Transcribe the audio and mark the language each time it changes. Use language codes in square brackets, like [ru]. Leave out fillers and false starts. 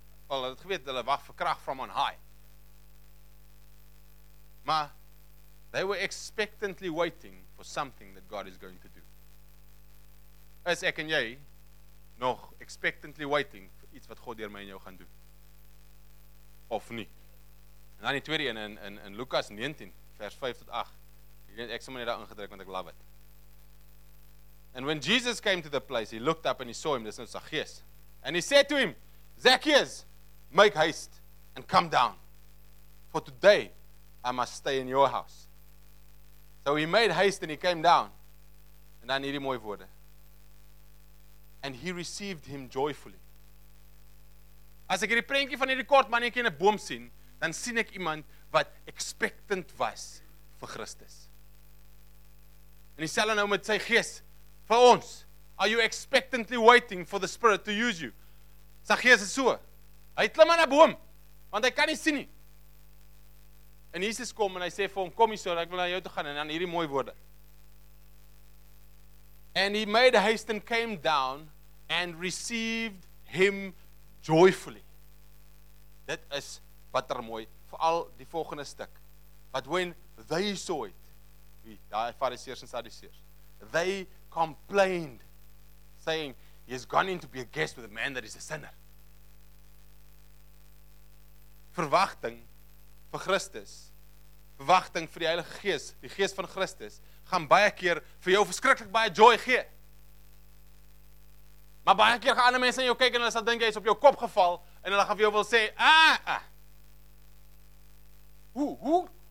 [af] Hulle het geweet hulle wag vir krag van [en] on high. [af] Maar [en] they were expectantly waiting for something that God is going to do. [af] As ek en jy nog [en] expectantly waiting [af] vir iets wat God deur my en jou gaan doen. Of nie. En dan die tweede een in Lukas 19 vers 5 tot 8. Ek sê maar net daar ingedruk want ek love it. [en] And when Jesus came to the place, he looked up and he saw him, this is Zacchaeus. And he said to him, Zacchaeus, make haste and come down. For today, I must stay in your house. So he made haste and he came down. And [af] dan hierdie mooi woorde. [en] And he received him joyfully. [af] As ek hierdie prentjie van hierdie kort mannetjie in 'n boom sien, dan sien ek iemand wat expectant was vir Christus. En dieselfde nou met sy gees. Vir ons, [en] are you expectantly waiting for the Spirit to use you? [af] Zacchaeus is so. Hy klim aan 'n boom, want hy kan nie sien nie. En Jesus kom en hy sê vir hom, kom hier so, ek wil na jou toe gaan, en dan hierdie mooi woorde. [en] And he made haste and came down and received him joyfully. [af] Dit is watermooi, vooral die volgende stuk. [en] But when they saw it, [af] die Fariseërs en Sadduseërs, [en] they complained, saying, he has gone in to be a guest with a man that is a sinner. [af] Verwagting vir Christus, verwagting vir die Heilige Gees, die Gees van Christus, gaan baie keer vir jou verskriklik baie joy gee. Maar baie keer gaan ander mense in jou kyk en hulle sal dink jy is op jou kop geval en hulle gaan vir jou wil sê, Hoe?